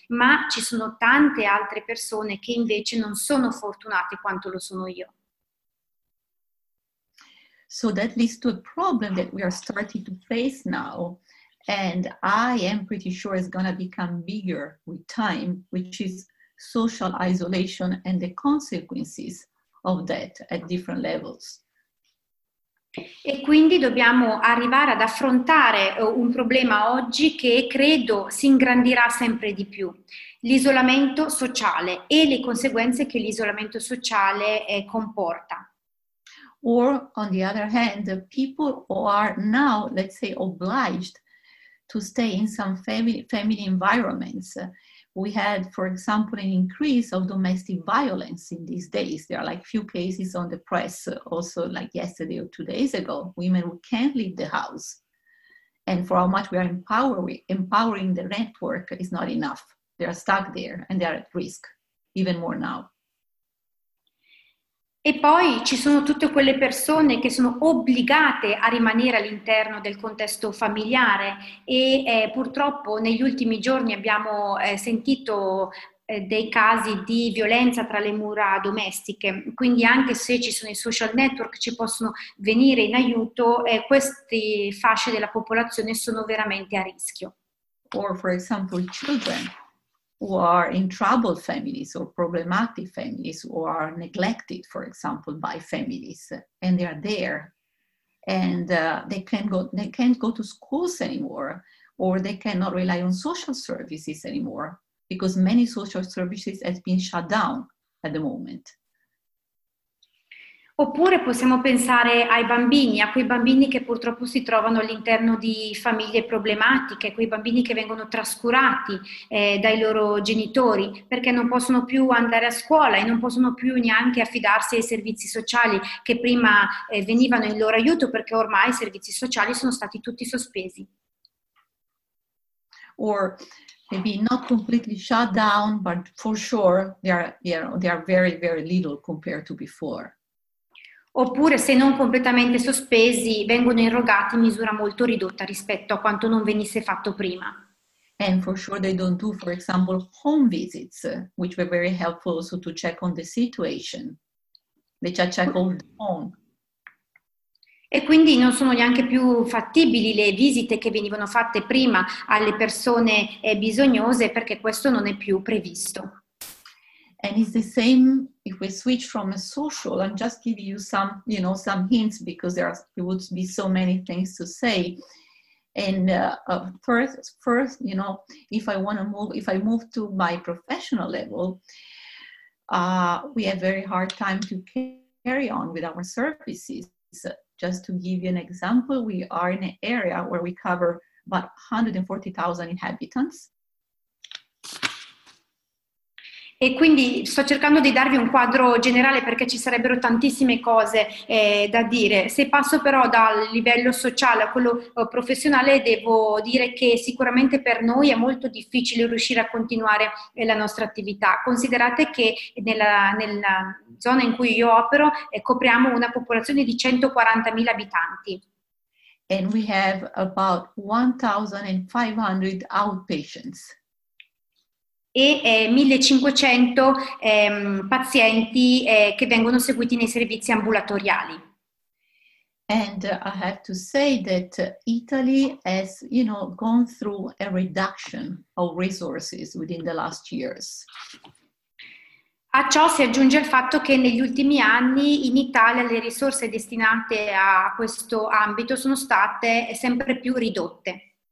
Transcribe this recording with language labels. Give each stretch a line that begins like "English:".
Italian: Ma ci sono tante altre persone che invece non sono fortunate quanto lo sono io.
English: So that leads to a problem that we are starting to face now, and I am pretty sure it's going to become bigger with time, which is social isolation and the consequences of that at different levels.
Italian: E quindi dobbiamo arrivare ad affrontare un problema oggi che credo si ingrandirà sempre di più, l'isolamento sociale e le conseguenze che l'isolamento sociale comporta.
English: Or, on the other hand, the people who are now, let's say, obliged to stay in some family environments. We had, for example, an increase of domestic violence in these days. There are like few cases on the press, also like yesterday or 2 days ago, women who can't leave the house. And for how much we are empowering the network is not enough. They are stuck there and they are at risk, even more now.
Italian: E poi ci sono tutte quelle persone che sono obbligate a rimanere all'interno del contesto familiare e purtroppo negli ultimi giorni abbiamo sentito dei casi di violenza tra le mura domestiche. Quindi anche se ci sono i social network che ci possono venire in aiuto, queste fasce della popolazione sono veramente a rischio.
English: Or for example children who are in troubled families or problematic families who are neglected, for example, by families, and they are there. And they can't go to schools anymore, or they cannot rely on social services anymore, because many social services have been shut down at the moment.
Italian: Oppure possiamo pensare ai bambini, a quei bambini che purtroppo si trovano all'interno di famiglie problematiche, quei bambini che vengono trascurati dai loro genitori perché non possono più andare a scuola e non possono più neanche affidarsi ai servizi sociali che prima venivano in loro aiuto perché ormai i servizi sociali sono stati tutti sospesi.
English: Or maybe not completely shut down, but for sure they are very, very little compared to before.
Italian: Oppure se non completamente sospesi vengono irrogati in misura molto ridotta rispetto a quanto non venisse fatto prima.
English: And for sure they don't do, for example, home visits, which were very helpful also to check on the situation. They just check on the home.
Italian: E quindi non sono neanche più fattibili le visite che venivano fatte prima alle persone bisognose perché questo non è più previsto.
English: And it's the same if we switch from a social, I'm just giving you some, you know, some hints because there would be so many things to say. And first, you know, if I move to my professional level, we have very hard time to carry on with our services. So just to give you an example, we are in an area where we cover about 140,000 inhabitants.
Italian: E quindi sto cercando di darvi un quadro generale perché ci sarebbero tantissime cose da dire. Se passo però dal livello sociale a quello professionale, devo dire che sicuramente per noi è molto difficile riuscire a continuare la nostra attività. Considerate che nella zona in cui io opero copriamo una popolazione di 140.000 abitanti.
English: And we have about 1,500 outpatients.
Italian: E 1.500 pazienti che vengono seguiti nei servizi ambulatoriali.
English: And I have to say that Italy has, you know, gone through a reduction of resources within the last years.
Italian: A ciò si aggiunge il fatto che negli ultimi anni in Italia le risorse destinate a questo ambito sono state sempre più ridotte.